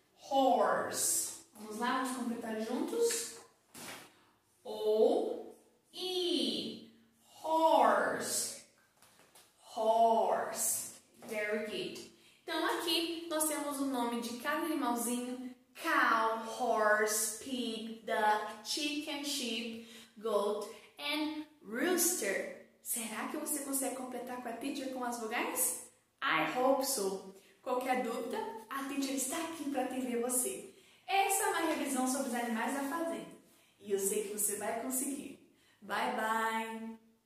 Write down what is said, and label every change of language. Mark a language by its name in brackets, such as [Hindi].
[English] Horse. [Portuguese] Vamos lá, vamos completar juntos? [English] O, E. Horse. Horse. Very good. [Portuguese] Então, aqui nós temos o nome de cada animalzinho. [English] Cow, horse, pig, duck, chicken, sheep, goat, and rooster. [Portuguese] Será que você consegue completar com a teacher com as vogais? [English] I hope so. [Portuguese] Qualquer dúvida, a teacher está aqui para atender você. Essa é uma revisão sobre os animais da fazenda. E eu sei que você vai conseguir. Bye, bye.